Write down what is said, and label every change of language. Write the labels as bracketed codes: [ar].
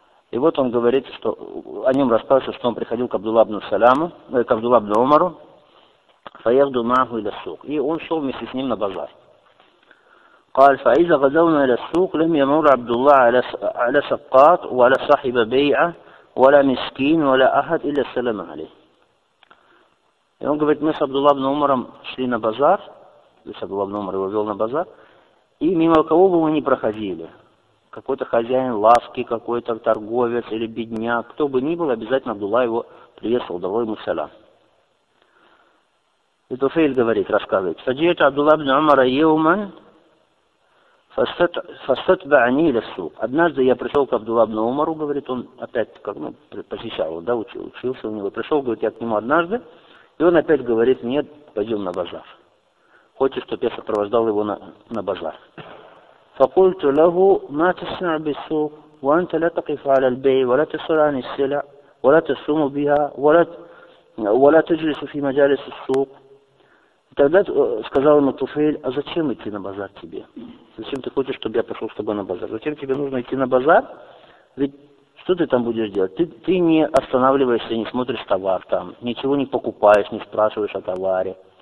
[ru] И вот он говорит, что о нем рассказывается, что он приходил к Абдулла ибн Саляму, к Абдулла ибн Умару, [ar] фаяхду маху иля сук, [ru] и он шел вместе с ним на базар. [ar] قال فإذا غزونا إلى السوق لم يمر عبد الله على سقاط ولا صاحب بيعة ولا مسكين ولا أحد إلا سلم عليه. [ru] И он говорит, мы с Абдулла ибн Умаром шли на базар, то есть Абдулла ибн Умар его вел на базар, и мимо кого бы мы ни проходили, какой-то хозяин лавки, какой-то торговец или бедняк, кто бы ни был, обязательно Абдулла его приветствовал, дал ему салям. И Туфейль говорит, рассказывает, [ar] «Саджиет Абдулла ибн Умара еуман, фастатба ани ля сук». [ru] Однажды я пришел к Абдулла ибн Умару, говорит, он опять посещал, да, учился у него, пришел, говорит, я к нему однажды, И он опять говорит, нет, пойдем на базар. Хочет, чтобы я сопровождал его на базар. [ar] فقلت له ما تصنع بالسوق وانت لا تقف على البيع ولا تسأل عن السلع ولا تصوم بها ولا تجلس في مجالس السوق. [ru] Тогда сказал ему Туфейль, а зачем идти на базар тебе? Зачем ты хочешь, чтобы я пошел с тобой на базар? Зачем тебе нужно идти на базар? Ведь что ты там будешь делать? Ты не останавливаешься, не смотришь товар там, ничего не покупаешь, не спрашиваешь о товаре.